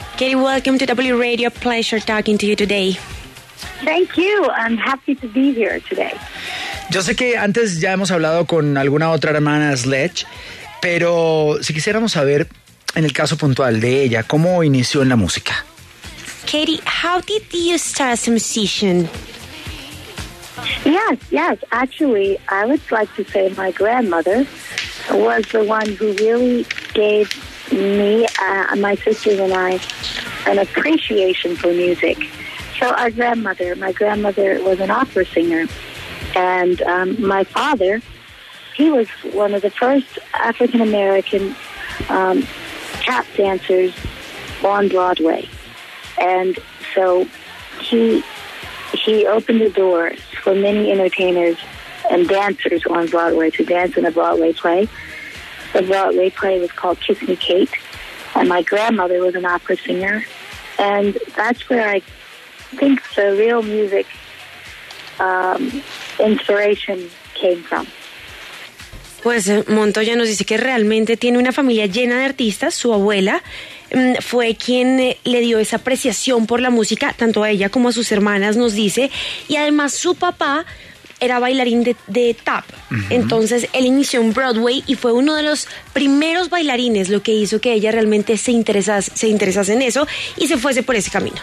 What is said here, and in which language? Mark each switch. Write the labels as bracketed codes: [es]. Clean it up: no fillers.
[en] Kathy, welcome to W Radio. Pleasure talking to you today. Thank you. I'm happy to be here today. [es] Yo sé que antes ya hemos hablado con alguna otra hermana Sledge, pero si quisiéramos saber en el caso puntual de ella, ¿cómo inició en la música? [en] Kathy, how did you start as a musician? Yes. Actually, I would like to say my grandmother was the one who really gave me, my sisters and I, an appreciation for music. So my grandmother was an opera singer. And my father, he was one of the first African-American tap dancers on Broadway. And so he opened the door for many entertainers and dancers on Broadway to dance in a Broadway play. The Broadway play was called Kiss Me, Kate. And my grandmother was an opera singer. And that's where I think the real music inspiration came from. [es] Pues Montoya nos dice que realmente tiene una familia llena de artistas. Su abuela fue quien le dio esa apreciación por la música, tanto a ella como a sus hermanas, nos dice. Y además su papá era bailarín de tap. Uh-huh. Entonces él inició en Broadway y fue uno de los primeros bailarines, lo que hizo que ella realmente se interesase en eso y se fuese por ese camino.